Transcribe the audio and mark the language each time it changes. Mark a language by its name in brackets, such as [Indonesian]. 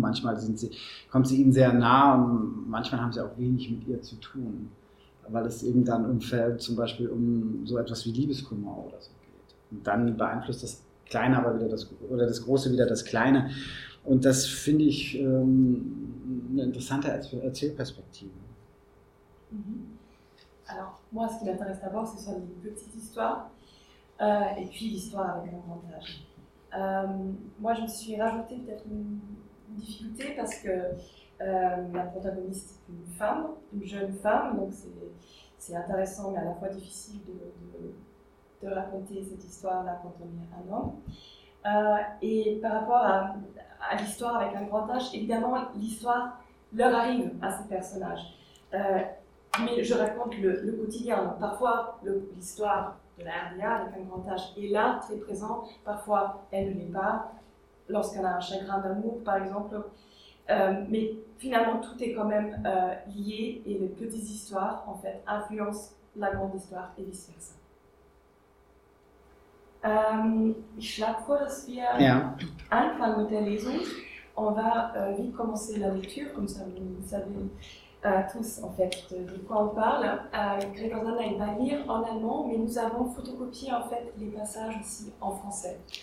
[German] Manchmal kommt sie ihnen sehr nah, und manchmal haben sie auch wenig mit ihr zu tun, weil es eben dann zum Beispiel um so etwas wie Liebeskummer oder so geht. Und dann beeinflusst das Kleine aber wieder das Große wieder das Kleine. Und das finde ich eine interessante Erzählperspektive. [French] Alors, moi, ce qui m'intéresse d'abord, ce sont les petites histoires, et puis l'histoire avec un grand âge. Moi, je me suis rajouté peut-être une difficulté parce que ma protagoniste est une femme, une jeune femme, donc c'est intéressant, mais à la fois difficile de raconter cette histoire-là quand on est un homme. Et par rapport à l'histoire avec un grand H, évidemment, l'histoire leur arrive à ces personnages. Mais je raconte le quotidien, parfois l'histoire de la RDA avec un grand H est là, très présent, parfois elle ne l'est pas, lorsqu'on a un chagrin d'amour par exemple. Mais finalement tout est quand même lié et les petites histoires en fait influencent la grande histoire et vice versa. [German] Ich schlage vor, dass wir anfangen mit der Lesung. [French] On va vite commencer la lecture, comme ça vous savez tous en fait de quoi on parle. Gregor Zander va lire en allemand, mais nous avons photocopié en fait les passages aussi en français.